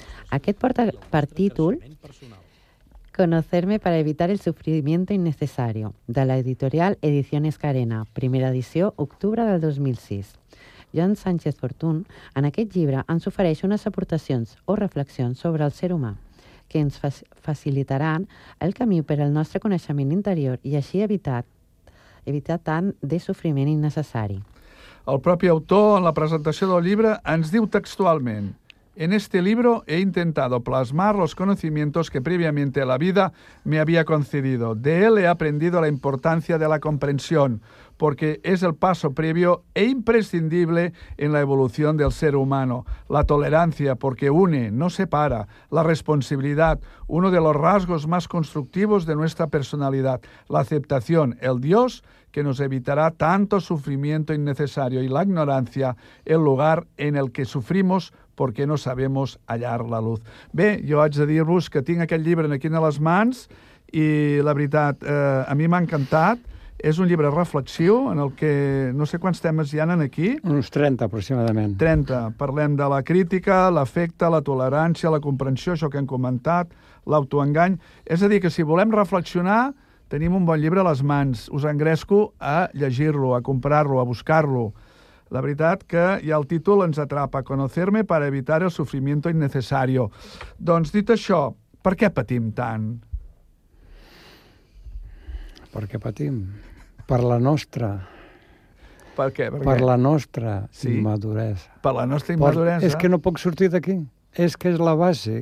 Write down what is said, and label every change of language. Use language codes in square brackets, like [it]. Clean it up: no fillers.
[ca] Aquest porta per títol Conocerme para evitar el sufrimiento innecesario, de la editorial Ediciones Carena, primera edició, octubre del 2006. Joan Sánchez Fortún, en aquest llibre, ens ofereix unes aportacions o reflexions sobre el ser humà, que ens facilitaran el camí per al nostre coneixement interior i així evitar tant de sofriment innecessari. El propi autor, en la presentació del llibre, ens diu textualment: [es] en este libro he intentado plasmar los conocimientos que previamente la vida me había concedido. De él he aprendido la importancia de la comprensión, porque es el paso previo e imprescindible en la evolución del ser humano. La tolerancia, porque une, no separa. La responsabilidad, uno de los rasgos más constructivos de nuestra personalidad. La aceptación, el Dios, que nos evitará tanto sufrimiento innecesario. Y la ignorancia, el lugar en el que sufrimos perquè no sabemos hallar la luz. [ca] Bé, jo haig de dir-vos que tinc aquest llibre aquí a les mans i, la veritat, a mi m'ha encantat. És un llibre reflexiu en el que no sé quants temes hi ha aquí. Uns 30, aproximadament. 30. Parlem de la crítica, l'afecte, la tolerància, la comprensió, això que hem comentat, l'autoengany. És a dir, que si volem reflexionar, tenim un bon llibre a les mans. Us engresco a llegir-lo, a comprar-lo, a buscar-lo. La veritat que ja el títol ens atrapa, Conocerme para evitar el sufrimiento innecesario. Doncs, dit això, per què patim tant? Per què patim? Per la nostra... Per què? Per la nostra immaduresa. Per la nostra immaduresa? És que no puc sortir d'aquí. És que és la base.